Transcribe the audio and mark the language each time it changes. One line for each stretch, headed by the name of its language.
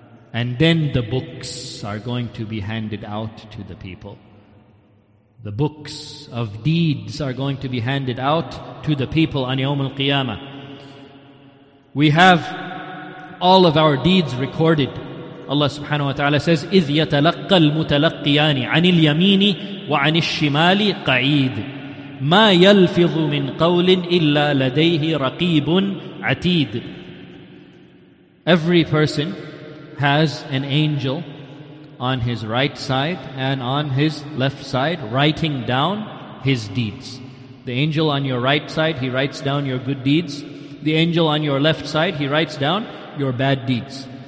English: And then the books are going to be handed out to the people. The books of deeds are going to be handed out to the people on Yawm al-Qiyamah. We have all of our deeds recorded. Allah subhanahu wa ta'ala says,
Arabic: إِذْ يَتَلَقَّ الْمُتَلَقِّيَانِ عَنِ الْيَمِينِ وَعَنِ الشِّمَالِ قَعِيدٍ مَا يَلْفِظُ مِنْ قَوْلٍ إِلَّا لَدَيْهِ رَقِيبٌ عَتِيدٌ.
English: Every person has an angel on his right side and on his left side writing down his deeds. The angel on your right side, he writes down your good deeds. The angel on your left side, he writes down your bad deeds.